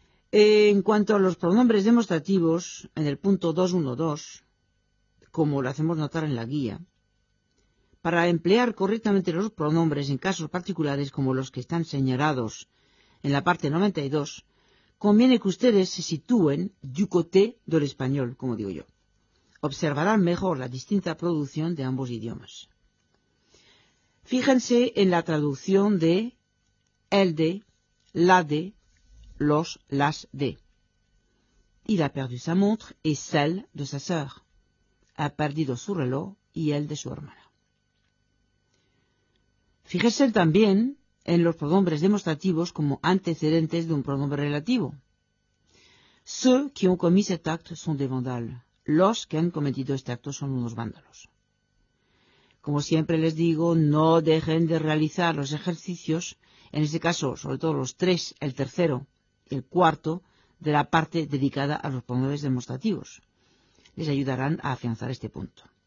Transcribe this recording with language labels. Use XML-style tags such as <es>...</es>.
<es>En cuanto a los pronombres demostrativos, en el punto 2.1.2, como lo hacemos notar en la guía, para emplear correctamente los pronombres en casos particulares como los que están señalados en la parte 92, conviene que ustedes se sitúen du côté del español, como digo yo. Observarán mejor la distinta producción de ambos idiomas. Fíjense en la traducción de el de, la de, los, las de.</es> <fr>Il a perdu sa montre et celle de sa sœur.</fr> <es>Ha perdido su reloj y el de su hermana. Fíjense también en los pronombres demostrativos como antecedentes de un pronombre relativo.</es> <fr>Ceux qui ont commis cet acte sont des vandales.</fr> <es>Los que han cometido este acto son unos vándalos. Como siempre les digo, no dejen de realizar los ejercicios, en este caso, sobre todo los tres, el tercero y el cuarto, de la parte dedicada a los pronombres demostrativos. Les ayudarán a afianzar este punto.</es>